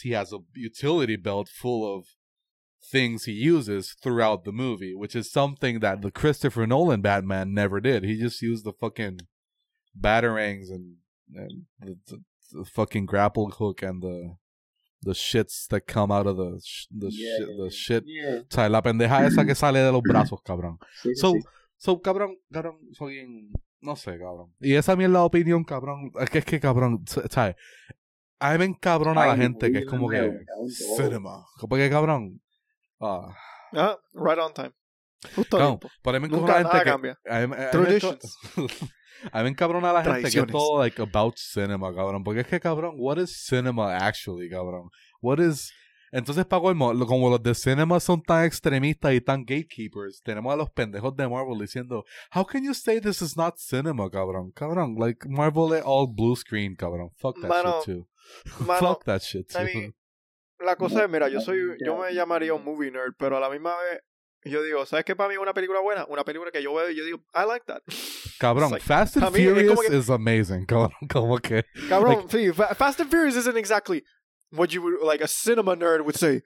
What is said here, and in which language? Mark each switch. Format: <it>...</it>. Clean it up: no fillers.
<en>He has a utility belt full of things he uses throughout the movie, which is something that the Christopher Nolan Batman never did. He just used the fucking batarangs and the fucking grapple hook and the shits that come out of the shit.</en> <es>La pendeja esa que sale de los brazos, cabrón. So cabrón, fucking. No sé, cabrón. Y esa es la opinión, cabrón. Es que cabrón, ¿sabes? A mí me encabrona la gente que es como que cinema. Porque, cabrón.</es> <en>Right on time.</en> <es>Justo a tiempo. Nunca nada cambia. Traditions. A mí me encabrona la gente que es todo, like,</es> <en>about cinema,</en> <es>cabrón. Porque es que, cabrón,</es> <en>what is cinema actually,</en> <es>cabrón?</es> <en>What is...</en> <es>Entonces, Paco, como los de cinema son tan extremistas y tan gatekeepers, tenemos a los pendejos de Marvel diciendo,</es> <en>how can you say this is not cinema,</en> <es>cabrón?</es> <en>Cabrón, like, Marvel es all blue screen, cabrón. Fuck that shit, too. I mean,</en> <es>la cosa es, mira, yo me llamaría un movie nerd, pero a la misma vez, yo digo, ¿sabes qué para mí es una película buena? Una película que yo veo y yo digo,</es> <en>I like that. Cabrón, like, Fast and Furious is amazing, cabrón.</en> <es>¿Cómo que?</es> <en>Cabrón, like, sí, Fast and Furious isn't exactly... what you would, like, a cinema nerd would say.</en>